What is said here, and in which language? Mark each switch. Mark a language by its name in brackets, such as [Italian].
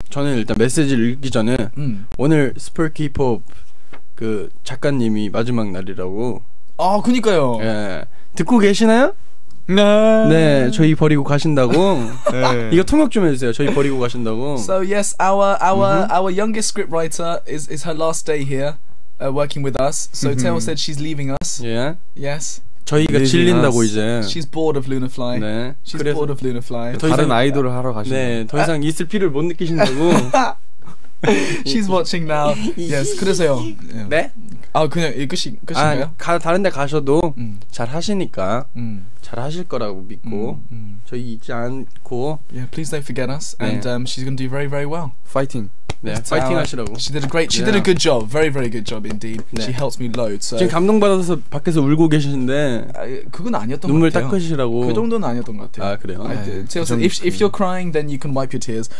[Korean] 저는 일단 메시지를 읽기 전에 오늘 스펄키팝 그 작가님이 마지막 날이라고. 아, 그니까요. 예. 듣고 계시나요? 네. 네, 저희 버리고 가신다고. 네. 이거 통역 좀 해주세요. 저희 버리고 가신다고. [English] So yes, our youngest scriptwriter is her last day here, working with us. So Tell said she's leaving us. Yeah. Yes. [Korean] 저희가 질린다고 이제. [English] She's bored of Lunafly. [Korean] 네. [English] She's bored of Lunafly. [Korean] 더 이상 아이돌을 하러 가신다. 네. 더 이상 있을 필요를 못 느끼신다고. [English] She's watching now. Yes. [Korean] 그래서요. 네. 아 그냥 이 끝이 끝인가요? 아니, 다른 데 가셔도 잘 하시니까 잘 하실 거라고 믿고 저희 잊지 않고 [English] Yeah, please don't forget us. And she's gonna do very, very well. Fighting. [Korean] 네, yeah, fighting 하시라고. [English] She did a great, she did a good job. Very, very good job indeed. 네. She helps me load. So. [Korean] 지금 감동 받아서 밖에서 울고 계시는데 아, 그건 아니었던 눈물 것 같아요. 눈물 닦으시라고. 그 정도는 아니었던 것 같아요. 아 그래요? 아, 네. 네. [English] If you're crying, then you can wipe your tears.